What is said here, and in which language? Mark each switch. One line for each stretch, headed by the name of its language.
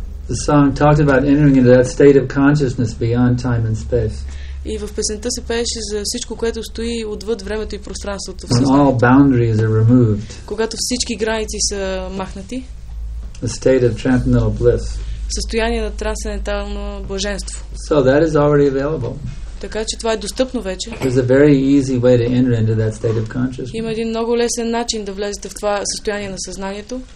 English: The song talked about entering into that state of consciousness beyond time and space.
Bulgarian: И в песента се пееше за всичко, което стои отвъд времето и пространството.
English: When all boundaries are removed.
Bulgarian: Когато всички граници са махнати.
English: The state of transcendental bliss.
Bulgarian: Състояние на трансцендентално блаженство.
English: So that is already available.
Bulgarian: Така че това е достъпно вече.
English: There's a very easy way to enter into that state of consciousness.
Bulgarian: Има един много лесен начин да влезете в това състояние на съзнанието.